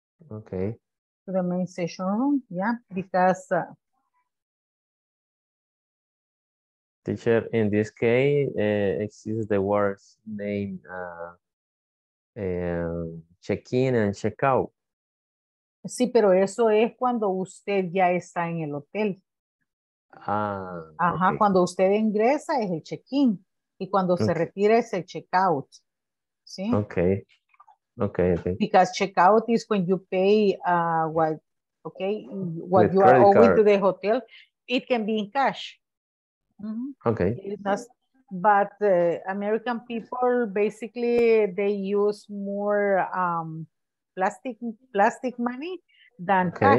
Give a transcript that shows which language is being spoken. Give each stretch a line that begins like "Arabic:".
English: Okay. To the main session room, yeah, because teacher, in this case, exists the words name check-in and check-out.
Spanish: Sí, pero eso es cuando usted ya está en el hotel. Ah, ajá, okay. Cuando usted ingresa es el check-in y cuando okay. se retira es el check-out, ¿sí? Okay. Okay, okay.
English: Because checkout is when you pay what you are owing to the hotel. It can be in cash. Mm-hmm. Okay. But American people basically they use more plastic money than okay.